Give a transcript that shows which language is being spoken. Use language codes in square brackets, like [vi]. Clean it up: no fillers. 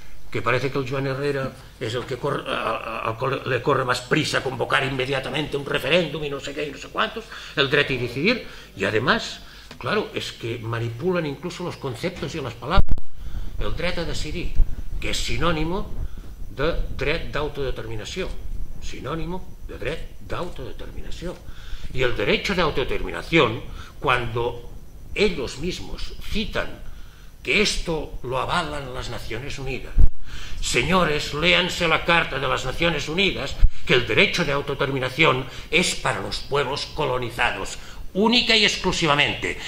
[es] Que parece que el Joan Herrera es el que le corre más prisa a convocar inmediatamente un referéndum y no sé qué y no sé cuántos, el derecho a decidir, y además, claro, es que manipulan incluso los conceptos y las palabras. [ca] el dret a decidir, que és sinònimo de dret d'autodeterminació, sinònimo de dret d'autodeterminació. [es] Y el derecho de autodeterminación, cuando ellos mismos citan que esto lo avalan las Naciones Unidas. Señores, léanse la Carta de las Naciones Unidas, que el derecho de autodeterminación es para los pueblos colonizados, única y exclusivamente.